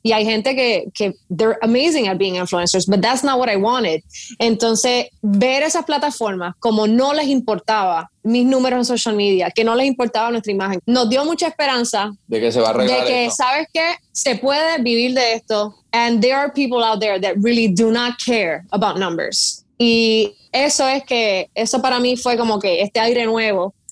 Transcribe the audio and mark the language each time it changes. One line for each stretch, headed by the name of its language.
Spanish: Y hay gente que
English: they're amazing at being influencers, but that's not what I wanted.
Spanish: Entonces, ver esas plataformas como no les importaba mis números en social media, que no les importaba nuestra imagen, nos dio mucha esperanza de que se va a arreglar de que, esto. ¿Sabes qué? Se puede vivir de esto.
English: And there are people out there that really do not care about numbers.
Spanish: Y eso es que, eso para mí fue como que este aire nuevo.